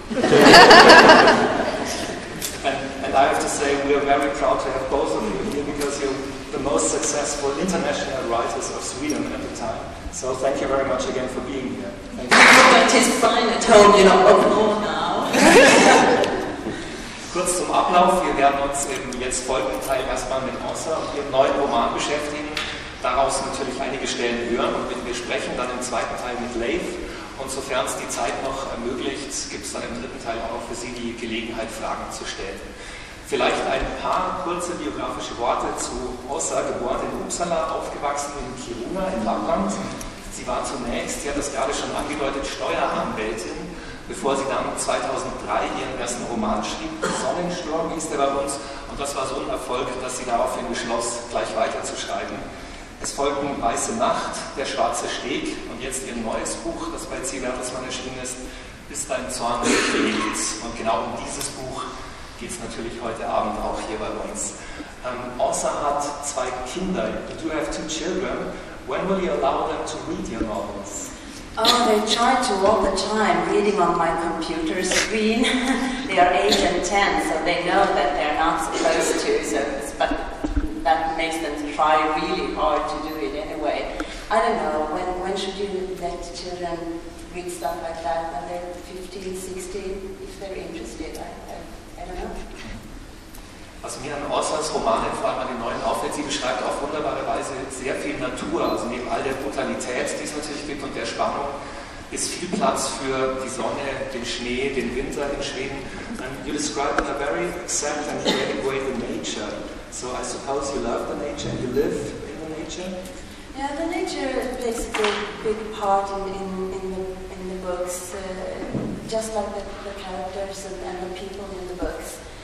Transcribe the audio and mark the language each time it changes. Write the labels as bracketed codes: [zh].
[en] And I have to say, we are very proud to have both of you here because you're the most successful international writers of Sweden at the time. So thank you very much again for being here. Thank you. It is fine at home, you're not open now. [de] Kurz zum Ablauf, wir werden uns im jetzt folgenden Teil erstmal mit Asa und ihrem neuen Roman beschäftigen, daraus natürlich einige Stellen hören und mit mir sprechen, dann im zweiten Teil mit Leif. Und sofern es die Zeit noch ermöglicht, gibt es dann im dritten Teil auch für Sie die Gelegenheit, Fragen zu stellen. Vielleicht ein paar kurze biografische Worte zu Asa, geboren in Uppsala, aufgewachsen in Kiruna in Lappland. Sie war zunächst, sie hat das gerade schon angedeutet, Steueranwältin, bevor sie dann 2003 ihren ersten Roman schrieb, Sonnensturm hieß der bei uns. Und das war so ein Erfolg, dass sie daraufhin beschloss, gleich weiterzuschreiben. Es folgten Weiße Nacht, Der schwarze Steg und jetzt ihr neues Buch, das bei Zivertesmann erschienen ist, Bis dein Zorn geht. Und genau um dieses Buch geht es natürlich heute Abend auch hier bei uns. Asa hat zwei Kinder. [en] You do have two children. When will you allow them to read your novels? Oh, they try to all the time, reading on my computer screen. They are 8 and 10, so they know that they're not supposed to, so but that makes them try really hard to do it anyway. I don't know, when should you let children read stuff like that? When they're 15, 16, if they're interested, I don't know. [de] Also mir an Orsas Roman, vor allem an den neuen Aufwärts, sie beschreibt auf wunderbare Weise sehr viel Natur, also neben all der Brutalität, die es natürlich gibt und der Spannung, ist viel Platz für die Sonne, den Schnee, den Winter in Schweden. [en] And you describe in a very exact and great way the nature. So I suppose you love the nature and you live in the nature? Yeah, the nature plays a big part in the books, just like the characters and the people in the books.